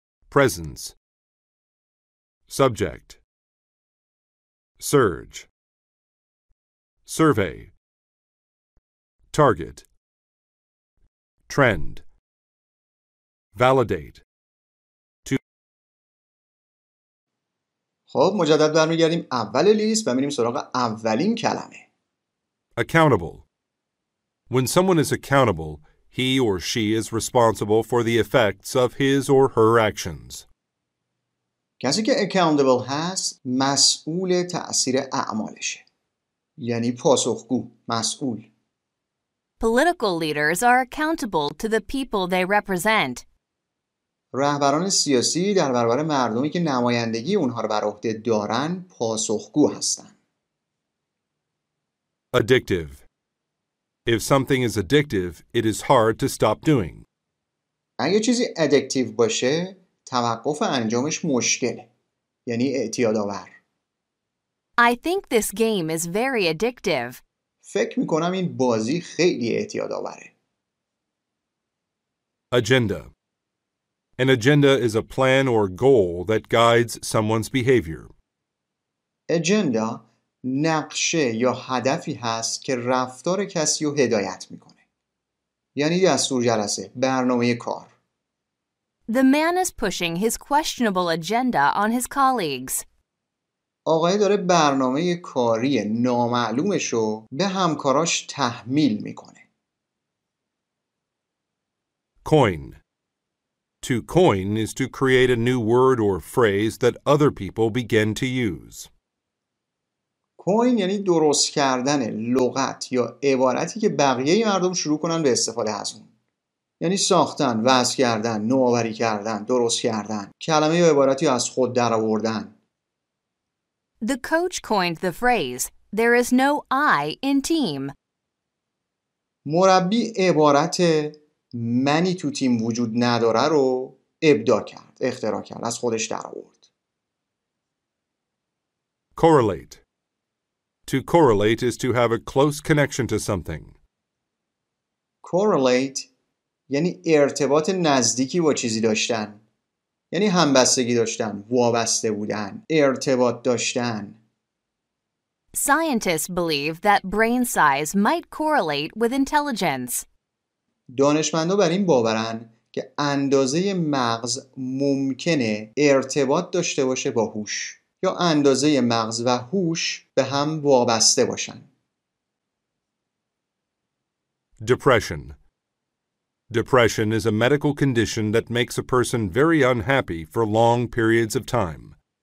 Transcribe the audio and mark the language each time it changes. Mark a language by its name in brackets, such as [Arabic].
[English] Presence. Subject. Surge. Survey. Target. Trend. Validate. [Persian] خب مجدد برمیگردیم اول لیست و میریم سراغ اولین کلمه. [English] Accountable. When someone is accountable, he or she is responsible for the effects of his or her actions. [Persian] کسی که accountable هست مسئول تأثیر اعمالشه. یعنی پاسخگو، مسئول. [English] Political leaders are accountable to the people they represent. [Persian] رهبران سیاسی در برابر مردمی که نمایندگی اونها رو بر عهده دارن پاسخگو هستن. [English] Addictive. If something is addictive, it is hard to stop doing. [Persian] اگه چیزی addictive باشه، توقف انجامش مشکله. یعنی اعتیادآور. [English] I think this game is very addictive. [Persian] فکر میکنم این بازی خیلی اعتیادآوره. [English] Agenda. An agenda is a plan or goal that guides someone's behavior. [Persian] Agenda نقشه یا هدفی هست که رفتار کسی رو هدایت میکنه. یعنی دستور جلسه، برنامه کار. [English] The man is pushing his questionable agenda on his colleagues. [Persian] آقای داره برنامه کاری نامعلومش رو به همکاراش تحمیل میکنه. [English] Coin. To coin is to create a new word or phrase that other people begin to use. [Persian] Coin یعنی درست کردن لغت یا عبارتی که بقیه مردم شروع کنن به استفاده از اون. یعنی ساختن، وضع کردن، نوآوری کردن، درست کردن، کلمه یا عبارتی از خود در آوردن. [English] The coach coined the phrase, "There is no I in team." [Persian] مربی عبارت منی تو تیم وجود نداره رو ابداع کرد، اختراع کرد، از خودش در آورد. [English] Correlate. To correlate is to have a close connection to something. [Persian] Correlate یعنی ارتباط نزدیکی با چیزی داشتن. یعنی همبستگی داشتن، وابسته بودن، ارتباط داشتن. [English] Scientists believe that brain size might correlate with intelligence. [Persian] دانشمندا بر این باورن که اندازه مغز ممکنه ارتباط داشته باشه با هوش یا اندازه مغز و هوش به هم وابسته باشن. [English] Depression. Depression is a medical condition that makes a person very unhappy for long periods of time.